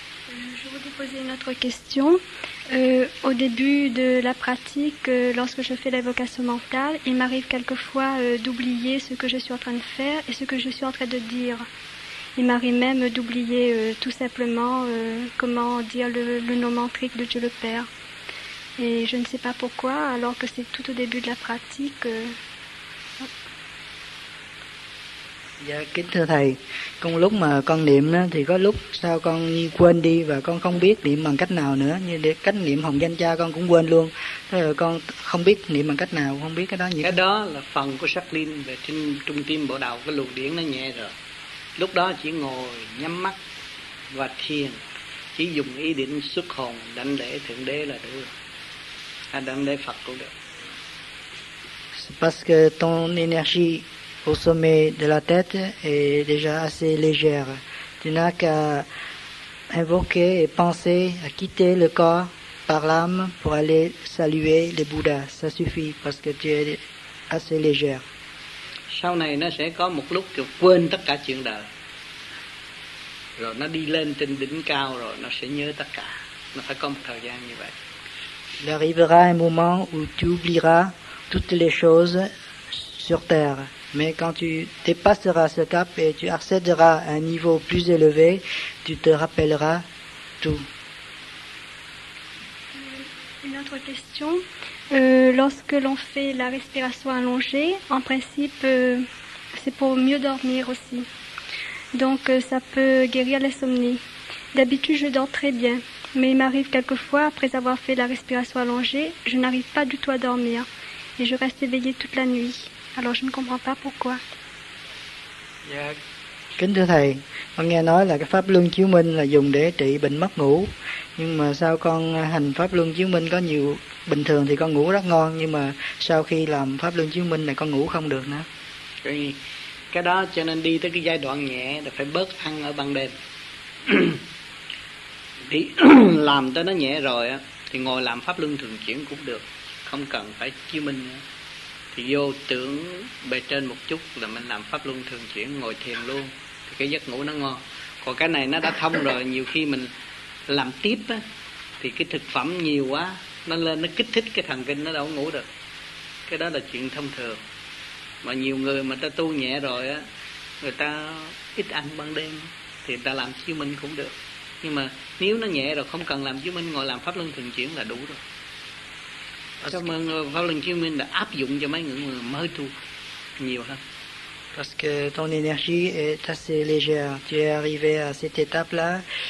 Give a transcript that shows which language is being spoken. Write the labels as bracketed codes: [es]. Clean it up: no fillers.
[fr] Je voudrais poser une autre question. Au début de la pratique, lorsque je fais l'évocation mentale, il m'arrive quelquefois d'oublier ce que je suis en train de faire et ce que je suis en train de dire. Il m'arrive même d'oublier tout simplement comment dire le nom mantrique de Dieu le Père. Et je ne sais pas pourquoi, alors que c'est tout au début de la pratique. [vi] Dạ, kính thưa thầy, con lúc mà con niệm á, thì có lúc sao con như quên đi và con không biết niệm bằng cách nào nữa, như để cách niệm hồng danh cha con cũng quên luôn, thế rồi con không biết niệm bằng cách nào, không biết cái đó như cái đó là phần của sắc linh về trên trung tim bộ đầu, cái luồng điển nó nhẹ rồi, lúc đó chỉ ngồi nhắm mắt và thiền, chỉ dùng ý định xuất hồn đảnh lễ thượng đế là được, đảnh lễ Phật cũng được. [fr] Parce que ton énergie au sommet de la tête est déjà assez légère. Tu n'as qu'à invoquer et penser à quitter le corps par l'âme pour aller saluer le Bouddha. Ça suffit parce que tu es assez légère. [vi] Sau này nó sẽ có một lúc kiểu quên tất cả chuyện đời. Rồi nó đi lên trên đỉnh cao rồi nó sẽ nhớ tất cả. Nó phải có một thời gian như vậy. [fr] Il arrivera un moment où tu oublieras toutes les choses sur terre. Mais quand tu dépasseras ce cap et tu accéderas à un niveau plus élevé, tu te rappelleras tout. Une autre question. Lorsque l'on fait la respiration allongée, en principe, c'est pour mieux dormir aussi. Donc, ça peut guérir l'insomnie. D'habitude, je dors très bien. Mais il m'arrive quelquefois, après avoir fait la respiration allongée, je n'arrive pas du tout à dormir. Et je reste éveillée toute la nuit. Alors, je ne comprends pas pourquoi. [vi] Dạ, Kính thưa thầy, con nghe nói là cái pháp luân chiếu minh là dùng để trị bệnh mất ngủ. Nhưng mà sao con hành pháp luân chiếu minh có nhiều, bình thường thì con ngủ rất ngon, nhưng mà sau khi làm pháp luân chiếu minh này con ngủ không được nữa. Cái đó cho nên đi tới cái giai đoạn nhẹ là phải bớt ăn ở ban đêm. Thì làm tới nó nhẹ rồi á, thì ngồi làm pháp luân thường chuyển cũng được, không cần phải chiếu minh nữa. Thì vô tưởng bề trên một chút là mình làm pháp luân thường chuyển, ngồi thiền luôn, thì cái giấc ngủ nó ngon. Còn cái này nó đã thông rồi, nhiều khi mình làm tiếp á, thì cái thực phẩm nhiều quá, nó lên nó kích thích cái thần kinh, nó đâu ngủ được. Cái đó là chuyện thông thường. Mà nhiều người mà ta tu nhẹ rồi á, người ta ít ăn ban đêm, thì người ta làm chiếu minh cũng được. Nhưng mà nếu nó nhẹ rồi không cần làm chiếu minh, ngồi làm pháp luân thường chuyển là đủ rồi. Cảm ơn Pháp Luân Chiếu Minh đã áp dụng cho mấy người mới tu nhiều hơn. [fr] Parce que ton énergie est assez légère. Tu es arrivé à cette étape-là.